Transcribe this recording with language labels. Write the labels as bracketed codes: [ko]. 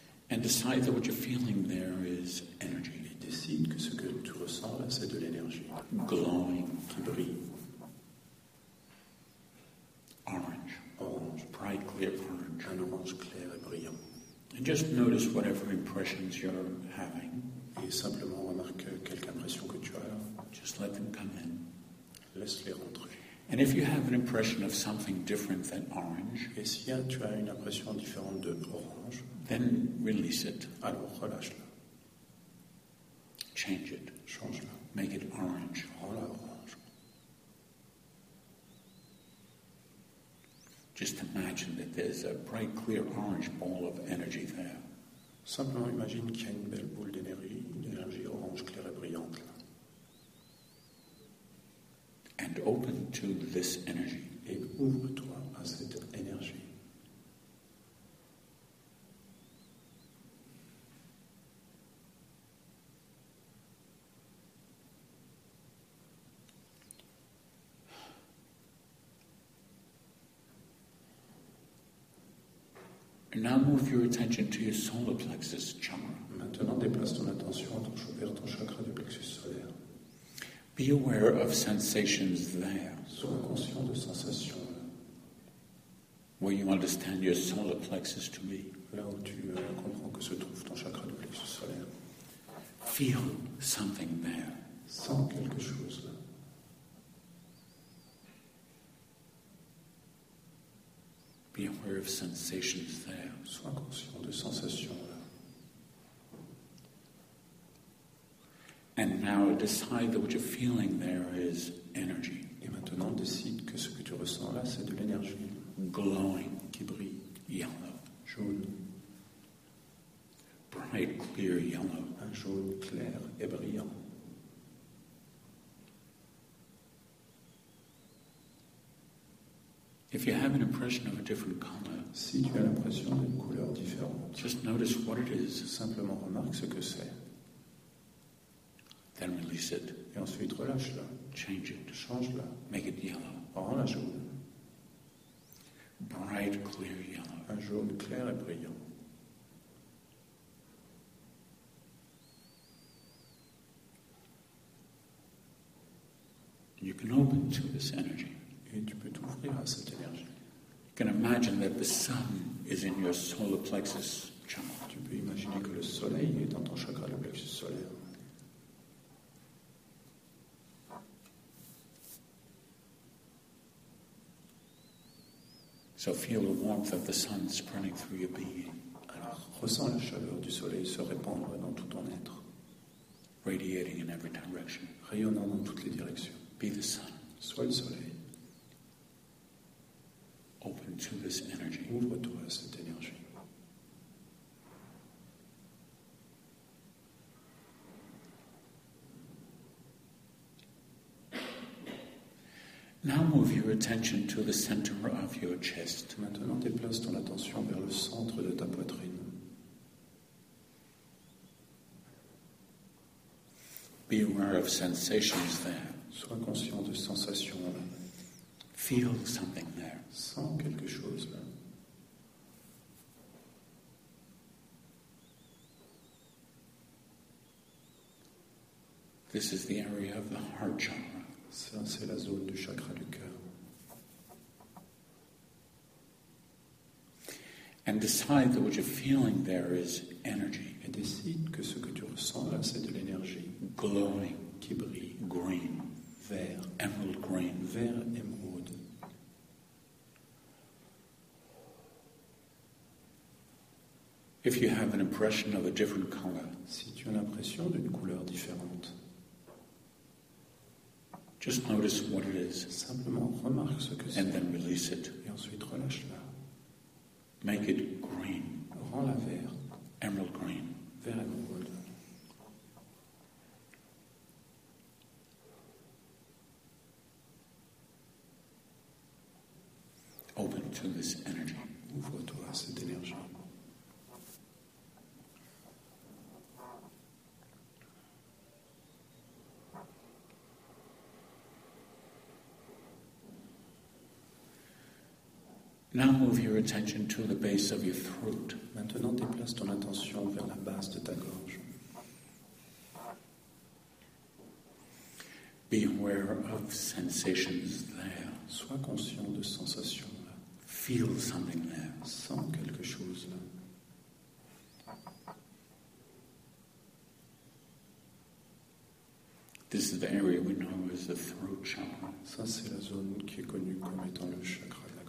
[en] And decide that what you're feeling there is energy. [fr] Décide que ce que tu ressens là, c'est de l'énergie. [en] Glowing. [fr] Qui brille. [en] Orange. [fr] Orange. [en] Bright, clear orange. [fr] Un orange clair et brillant. [en] And just notice whatever impressions you're having. [fr] Et simplement remarque quelque impression que tu as. [en] Just let them come in. [fr] Laisse-les rentrer. [en] And if you have an impression of something different than orange. [fr] Et si tu as une impression différente de orange. [en] Then release it. [fr] Alors relâche-la. [en] Change it. [fr] Change-la. [en] Make it orange. [fr] Rends-la orange. [en] Just imagine that there's a bright, clear orange ball of energy there. [fr] Simplement imagine qu'il y a une belle boule d'énergie, une énergie orange claire et brillante là. [en] And open to this energy. [fr] Et ouvre-toi à cette énergie. [en] Now move your attention to your solar plexus chakra. [fr] Maintenant, déplace ton attention vers ton chakra du plexus solaire. [en] Be aware of sensations there. [fr] Sois conscient de sensations là. [en] Where you understand your solar plexus to be. [fr] Là où tu comprends que se trouve ton chakra du plexus solaire. [en] Feel something there. [fr] Sens quelque chose là. [en] Be aware of sensations there. [fr] Sois conscient de sensations là. [en] And now decide that what you're feeling there is energy. [fr] Et maintenant décide que ce que tu ressens là, c'est de l'énergie. [en] Glowing. [fr] Qui brille. [en] Yellow. [fr] Jaune. [en] Bright, clear, yellow. [fr] Un jaune clair et brillant. [en] If you have an impression of a different color, [fr] si tu as l'impression d'une couleur différente, [en] just notice what it is. [fr] Simplement remarque ce que c'est. [en] Then release it. [fr] Et ensuite relâche-la. [en] Change it. [fr] Change-la. [en] Make it yellow. [fr] Rends-la jaune. [en] Bright, clear yellow. [fr] Un jaune clair et brillant. [en] You can open to this energy. [fr] Et tu peux t'ouvrir à cette énergie. [en] You can imagine that the sun is in your solar plexus chakra. [fr] Tu peux imaginer que le soleil est dans ton chakra du plexus solaire. [en] So feel the warmth of the sun spreading through your being. [fr] Alors ressens la chaleur du soleil se répandre dans tout ton être. [en] Radiating in every direction. [fr] Rayonnant dans toutes les directions. [en] Be the sun. [fr] Sois le soleil. [en] Open to this energy. [fr] Ouvre-toi à cette énergie. [en] Now move your attention to the center of your chest. [fr] Maintenant, déplace ton attention vers le centre de ta poitrine. [en] Be aware of sensations there. [fr] Sois conscient de sensations là. [en] Feel something there. [fr] Sens quelque chose là. [en] This is the area of the heart chakra. [fr] Ça, c'est la zone du chakra du cœur. [en] And decide that what you're feeling there is energy. [fr] Et décide que ce que tu ressens là, c'est de l'énergie. [en] Glowing. [fr] Qui brille. [en] Green. [fr] Vert. [en] Emerald green. [fr] Vert émeraude. [en] If you have an impression of a different color. [fr] Si tu as l'impression d'une couleur différente. [en] Just notice what it is. [fr] Simplement remarque ce que [en] and [fr] c'est. [en] And then release it. [fr] Et ensuite relâche-la. [en] Make it green. [fr] Rends-la vert. [en] Emerald green. [fr] Vert émeraude. [en] Open to this energy. [fr] Ouvre-toi à cette énergie. [en] Now move your attention to the base of your throat. [fr] Maintenant, déplace ton attention vers la base de ta gorge. [en] Be aware of sensations there. [fr] Sois conscient de sensations là. [en] Feel something there. [fr] Sens quelque chose là. [en] This is the area we know as the throat chakra. [fr] Ça, c'est la zone qui est connue comme étant le chakra.